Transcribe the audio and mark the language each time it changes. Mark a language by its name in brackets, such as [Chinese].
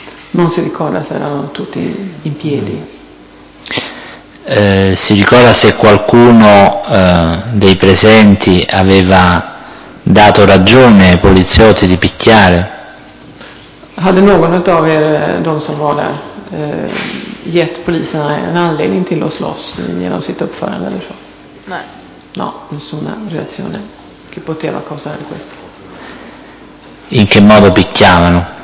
[Italian] Non si ricorda se erano tutti in piedi. Si ricorda se qualcuno dei presenti aveva dato ragione ai poliziotti di picchiare? [Swedish] Hade någon av er, de som var där, gett poliserna en anledning till att slåss genom sitt uppförande eller så? Nej. [Italian] No, nessuna reazione che poteva causare questo. In che modo picchiavano?